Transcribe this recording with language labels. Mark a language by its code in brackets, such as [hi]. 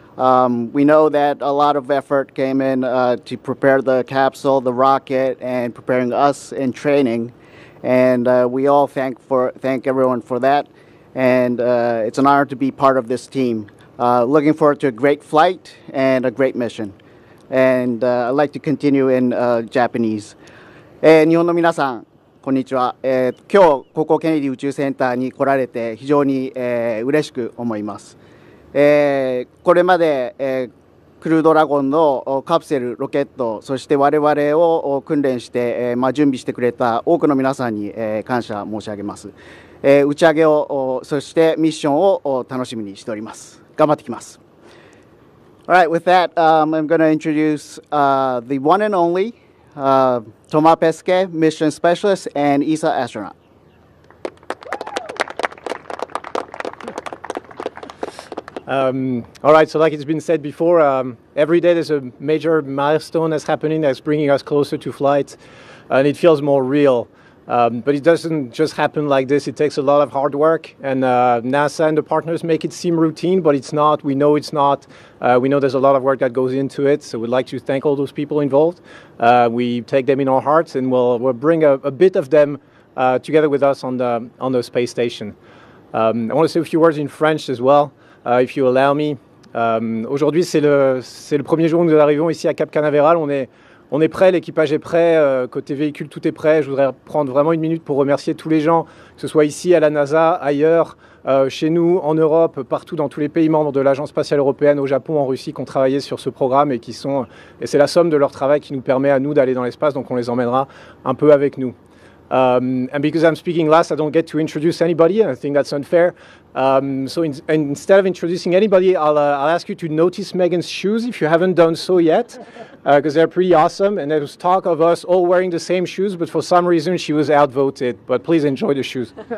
[en] We know that a lot of effort came in to prepare the capsule, the rocket, and preparing us in training, and we all thank everyone for that, and it's an honor to be part of this team. Looking forward to a great flight and a great mission, and I'd like to continue in Japanese. [ja] 日本の皆さん、こんにちは。今日、ここケネディ宇宙センターに来られて非常に嬉しく思います。これまでクルードラゴンのカプセル、ロケット、そして我々を訓練して準備してくれた多くの皆さんに感謝申し上げます。打ち上げを、そしてミッションを楽しみにしております。頑張ってきます。 [en] All right, with that, I'm going to introduce the one and only Thomas Pesquet, mission specialist, and ESA astronaut. All right, so like it's been said before, every day there's a major milestone that's happening that's bringing us closer to flight, and it feels more real. But it doesn't just happen like this. It takes a lot of hard work, and NASA and the partners make it seem routine, but it's not. We know it's not. We know there's a lot of work that goes into it, so we'd like to thank all those people involved. We take them in our hearts, and we'll bring a bit of them together with us on the space station. I want to say a few words in French as well, if you allow me. [fr] Aujourd'hui, c'est le premier jour où nous arrivons ici à Cap Canaveral. On est prêt, l'équipage est prêt, côté véhicule, tout est prêt. Je voudrais prendre vraiment une minute pour remercier tous les gens, que ce soit ici à la NASA, ailleurs, chez nous, en Europe, partout dans tous les pays membres de l'Agence spatiale européenne, au Japon, en Russie, qui ont travaillé sur ce programme et qui sont... Et c'est la somme de leur travail qui nous permet à nous d'aller dans l'espace, donc on les emmènera un peu avec nous. [en] And because I'm speaking last, I don't get to introduce anybody. I think that's unfair. Instead of introducing anybody, I'll ask you to notice Megan's shoes if you haven't done so yet, because they're pretty awesome. And there was talk of us all wearing the same shoes, but for some reason she was outvoted. But please enjoy the shoes.